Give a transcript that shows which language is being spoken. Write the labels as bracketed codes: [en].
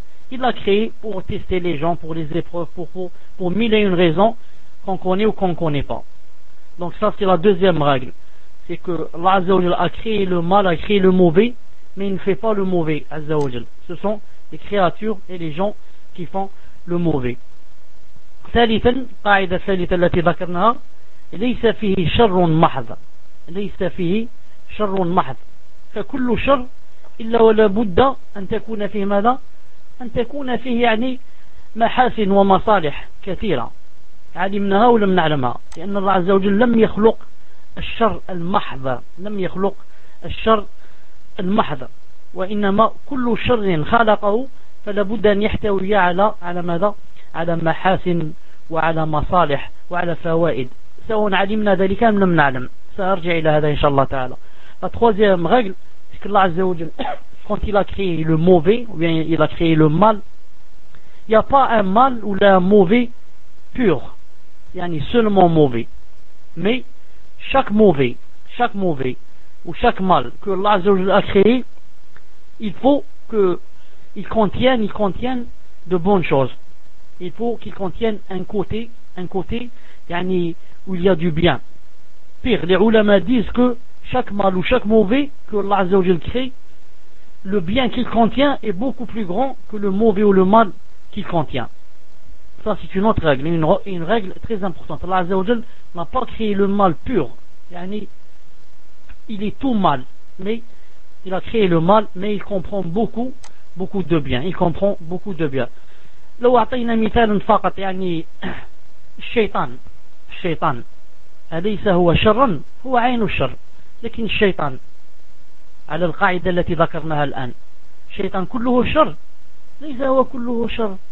[fr] Il l'a créé pour tester les gens, pour les épreuves, pour mille et une raisons qu'on connaît ou qu'on ne connaît pas. Donc ça c'est la deuxième règle, c'est que Allah Azza wa Jal a créé le mal, a créé le mauvais, mais il ne fait pas le mauvais. Azza wa Jal, ce sont les créatures et les gens qui font le mauvais. [ar] ثالثا قاعدة ثالثة التي ذكرناها ليس فيه شر محض ليس فيه شر محض فكل شر إلا ولا بد أن تكون فيه ماذا؟ أن تكون فيه يعني محاسن ومصالح كثيرة. علمناها ولم نعلمها، لأن الله عز وجل لم يخلق الشر المحض، لم يخلق الشر المحض، وإنما كل شر خلقه فلا بد أن يحتوي على ماذا؟ على محاسن وعلى مصالح وعلى فوائد. سواء علمنا ذلك أم لم نعلم، سأرجع إلى هذا إن شاء الله تعالى. [fr] La troisième règle, c'est que Allah Azza wa Jal, quand il a créé le mauvais ou bien il a créé le mal, il y a pas un mal ou un mauvais pur, يعني seulement mauvais. Mais chaque mauvais ou chaque mal que Allah Azza wa Jal a créé, il faut que ils contiennent de bonnes choses. Il faut qu'ils contiennent un côté yani où il y a du bien. Pire, les ulama disent que chaque mal ou chaque mauvais que Allah Azza wa Jal crée, le bien qu'il contient est beaucoup plus grand que le mauvais ou le mal qu'il contient. Ça c'est une autre règle, une règle très importante. Allah Azza wa Jal n'a pas créé le mal pur, yani il est tout mal, mais il a créé le mal, mais il comprend beaucoup de bien, il comprend beaucoup de bien. [ar] لو أعطينا مثال فقط يعني الشيطان أليس هو شر؟ هو عين الشر، لكن الشيطان على القاعدة التي ذكرناها الآن، الشيطان كله شر؟ ليس هو كله شر.